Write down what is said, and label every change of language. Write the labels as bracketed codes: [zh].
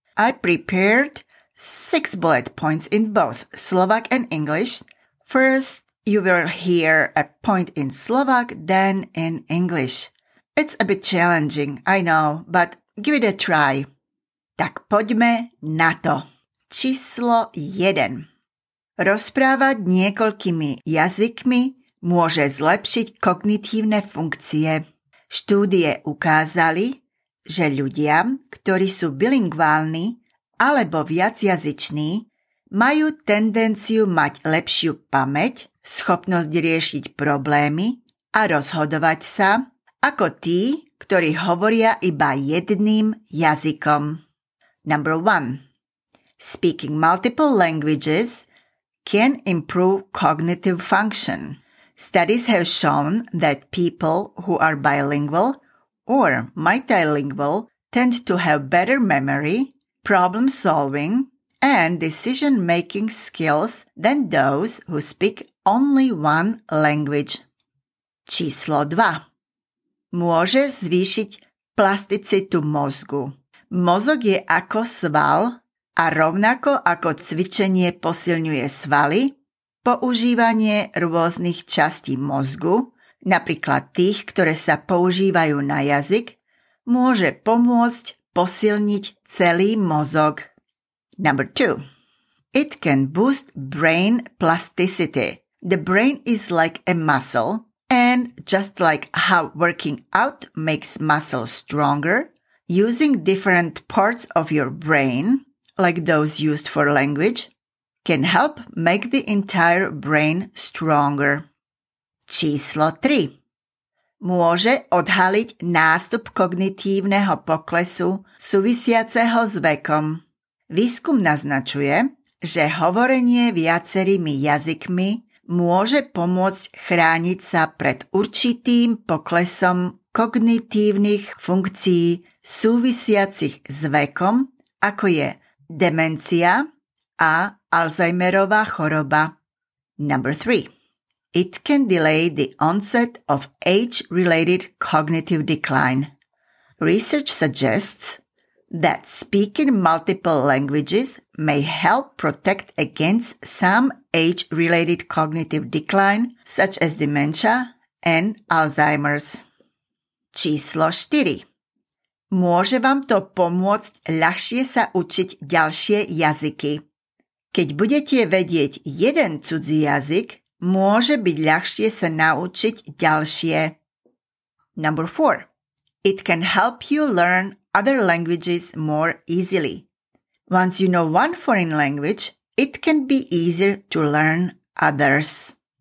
[en] I prepared 6 bullet points in both Slovak and English. First, you will hear a point in Slovak, then in English. It's a bit challenging, I know, but give it a try. [sk] Tak poďme na to. Číslo 1. Rozprávať niekoľkými jazykmi môže zlepšiť kognitívne funkcie. Štúdie ukázali, že ľudia, ktorí sú bilingválni alebo viacjazyční, majú tendenciu mať lepšiu pamäť, schopnosť riešiť problémy a rozhodovať sa, ako tí, ktorí hovoria iba jedným jazykom. [en] Number one. Speaking multiple languages can improve cognitive function. Studies have shown that people who are bilingual or multilingual tend to have better memory, problem-solving, and decision-making skills than those who speak only one language. [sk] Číslo 2. Môže zvýšiť plasticitu mozgu. Mozog je ako sval a rovnako ako cvičenie posilňuje svaly, používanie rôznych častí mozgu, napríklad tých, ktoré sa používajú na jazyk, môže pomôcť posilniť celý mozog. [en] Number two. It can boost brain plasticity. The brain is like a muscle, and just like how working out makes muscle stronger, using different parts of your brain, like those used for language, can help make the entire brain stronger. [sk] Číslo 3. Môže odhaliť nástup kognitívneho poklesu súvisiaceho s vekom. Výskum naznačuje, že hovorenie viacerými jazykmi môže pomôcť chrániť sa pred určitým poklesom kognitívnych funkcií súvisiacich s vekom, ako je demencia a Alzheimerová choroba. [en] Number 3. It can delay the onset of age-related cognitive decline. Research suggests that speaking multiple languages may help protect against some age-related cognitive decline, such as dementia and Alzheimer's. [sk] Číslo 4. Môže vám to pomôcť ľahšie sa učiť ďalšie jazyky. Keď budete vedieť jeden cudzí jazyk, môže byť ľahšie sa naučiť ďalšie. [en] Number 4. It can help you learn other languages more easily. Once you know one foreign language, it can be easier to learn others.